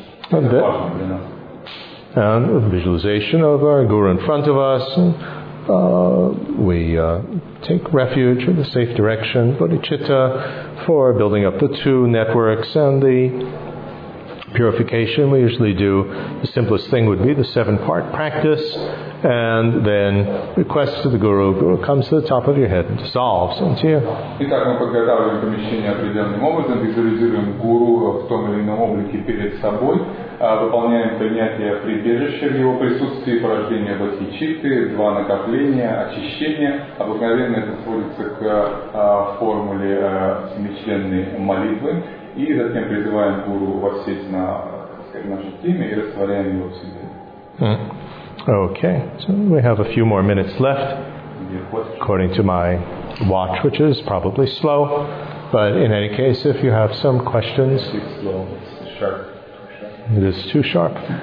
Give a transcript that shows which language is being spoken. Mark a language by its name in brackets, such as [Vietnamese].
[Russian] Это важно для нас. [English] And visualization of our guru in front of us. We take refuge in the safe direction, bodhicitta, for building up the two networks and the purification. We usually do the simplest thing would be the seven-part practice, and then request to the guru. Guru comes to the top of your head and dissolves into you. [Russian] Итак, мы подготавливаем помещение определенным образом, визуализируем гуру в том или ином облике перед собой. Выполняем принятие прибежища в его присутствии, порождение бодхичитты, два накопления, очищение. Обыкновенно это сводится к формуле семичленной молитвы. И затем призываем гуру воссесть на, так сказать, наше имя и растворяем его в себе. [English] Okay, so we have a few more minutes left. According to my watch, which is probably slow. But in any case, if you have some questions... It's slow, it's sharp. It is too sharp.